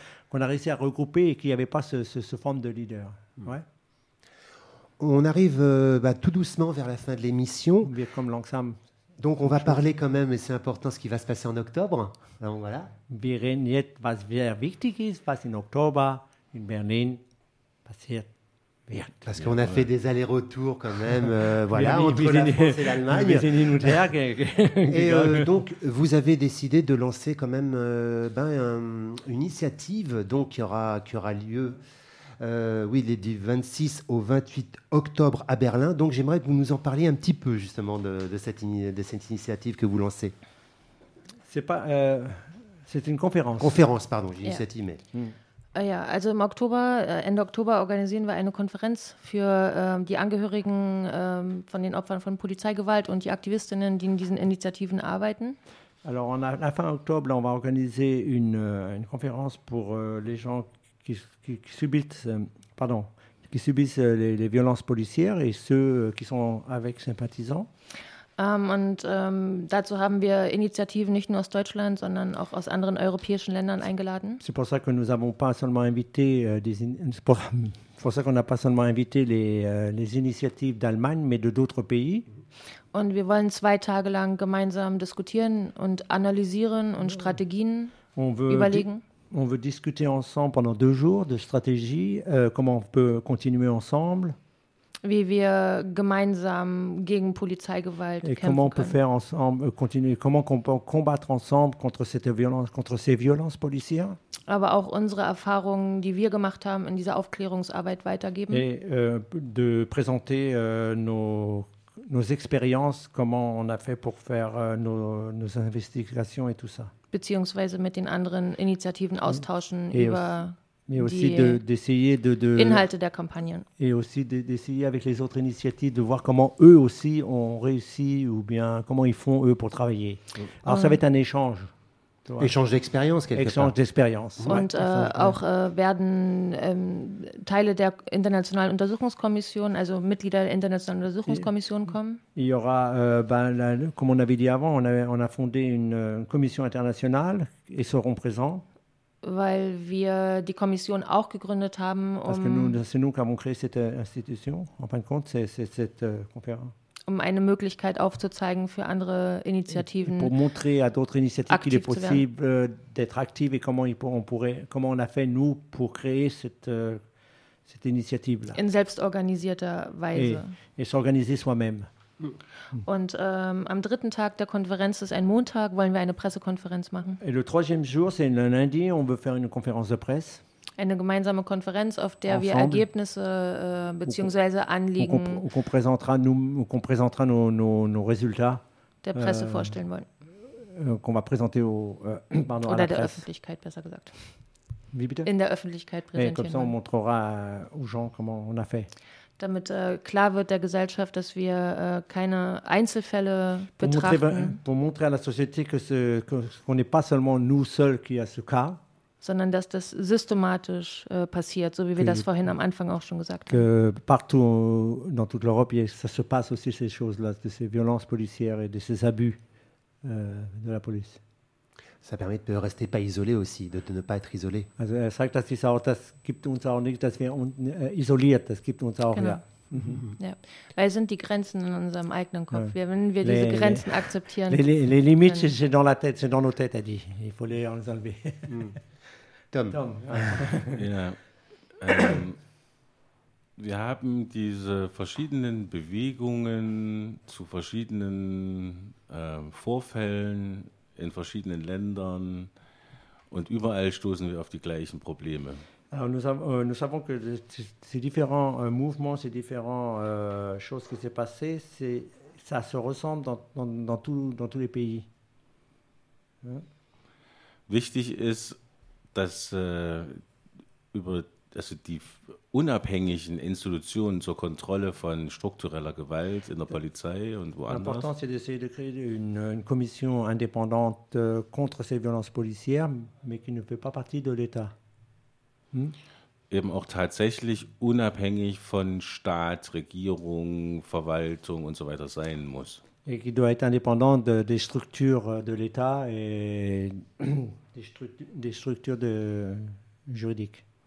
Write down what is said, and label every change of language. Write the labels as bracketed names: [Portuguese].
[French] Qu'on a réussi à regrouper et qu'il n'y avait pas ce forme de leader. Ouais. On arrive tout doucement vers la fin de l'émission. Comme langsam. Donc on va parler quand même, et c'est important, ce qui va se passer en octobre. Donc, voilà. [German] Wir reden jetzt, was sehr wichtig ist, was in Oktober in Berlin passiert. [French] Parce qu'on a fait des allers-retours quand même, voilà, entre la France et l'Allemagne. Et donc, vous avez décidé de lancer quand même une initiative donc, qui aura lieu du 26 au 28 octobre à Berlin. Donc, j'aimerais que vous nous en parliez un petit peu, justement, de cette initiative que vous lancez. C'est une conférence. Conférence, pardon, j'ai dit cet email. [German] Ja, also im Oktober, Ende Oktober organisieren wir eine Konferenz für die Angehörigen von den Opfern von Polizeigewalt und die Aktivistinnen, die in diesen Initiativen arbeiten. [French] Alors, à fin octobre, on va organiser une conférence pour les gens qui subissent les violences policières et ceux qui sont avec sympathisants. [German] Dazu haben wir Initiativen nicht nur aus Deutschland, sondern auch aus anderen europäischen Ländern eingeladen. [French] C'est pour ça que nous avons pas seulement invité les initiatives d'Allemagne, mais de d'autres pays. [German] Und wir wollen zwei Tage lang gemeinsam diskutieren und analysieren und Strategien überlegen. [French] On veut discuter ensemble pendant deux jours de stratégie, comment on peut continuer ensemble. [German] wie wir gemeinsam gegen Polizeigewalt kämpfen können. [French] Et comment on peut faire ensemble, continuer, comment on peut combattre ensemble contre cette violence, contre ces violences policières? [German] Aber auch unsere Erfahrungen, die wir gemacht haben, in dieser Aufklärungsarbeit weitergeben. [French] Et de présenter nos expériences, comment on a fait pour faire nos investigations et tout ça. [German] Beziehungsweise mit den anderen Initiativen austauschen über [French] mais aussi d'essayer de [German] Inhalte der Kampagnen. [French] Et aussi d'essayer avec les autres initiatives de voir comment eux aussi ont réussi ou bien comment ils font eux pour travailler. Mm. Alors ça va être un échange. Échange d'expérience quelque part. Échange d'expérience. [German] Und auch werden Teile der internationalen Untersuchungskommission, also Mitglieder der internationalen Untersuchungskommission kommen. [French] Il y aura comme on avait dit avant, on a fondé une commission internationale et seront présents. [German] Weil wir die Kommission auch gegründet haben, um eine Möglichkeit aufzuzeigen für andere Initiativen. [French] Pour montrer à d'autres initiatives qu'il est possible d'être active et comment on a fait nous pour créer cette initiative là. [German] In selbstorganisierter Weise. [French] Et s'organiser soi-même. [German] Und am dritten Tag der Konferenz, ist ein Montag, wollen wir eine Pressekonferenz machen. [French] Et le troisième jour, c'est un lundi, on veut faire une conférence de presse. [German] Eine gemeinsame Konferenz, auf der ensemble, wir Ergebnisse bzw. Anliegen [French] qu'on présentera nos résultats [German] der Presse vorstellen wollen. [French] Qu'on va présenter à la presse. [German] Öffentlichkeit, besser gesagt. Wie bitte? In der Öffentlichkeit [French] präsentieren. Et comme ça, on montrera aux gens comment on a fait. [German] Damit klar wird der Gesellschaft, dass wir keine Einzelfälle betrachten. [French] Pour montrer à la société qu'on n'est pas seulement nous seuls qui a ce cas, [German] sondern dass das systematisch passiert, so wie wir das vorhin am Anfang auch schon gesagt haben. [French] Que partout dans toute l'Europe, ça se passe aussi ces choses-là, de ces violences policières et de ces abus de la police. Ça permet de ne rester pas isolé aussi, de ne pas être isolé. [German] Also, er sagt, dass es auch, das gibt uns auch nicht, dass wir isoliert, das gibt uns auch, genau. Ja. Weil sind die Grenzen in unserem eigenen Kopf. Ja. Wenn wir diese Grenzen akzeptieren. [French] Les limites, dann, c'est dans la tête, c'est dans nos têtes, a dit. Il faut les enlever. [German] Tom. Ja. Wir haben diese verschiedenen Bewegungen zu verschiedenen Vorfällen in verschiedenen Ländern und überall stoßen wir auf die gleichen Probleme. [French] Alors nous savons que ces différents mouvements, ces différents choses qui s'est passé, c'est ça se ressemble dans tous les pays. [German] Wichtig ist, dass die unabhängigen Institutionen zur Kontrolle von struktureller Gewalt in der Polizei und woanders. [French] L'important, c'est d'essayer de créer une commission indépendante contre ces violences policières, mais qui ne fait pas partie de l'État. [German] Eben auch tatsächlich unabhängig von Staat, Regierung, Verwaltung und so weiter sein muss. [French] Et qui doit être indépendant des structures de l'État et des structures juridiques.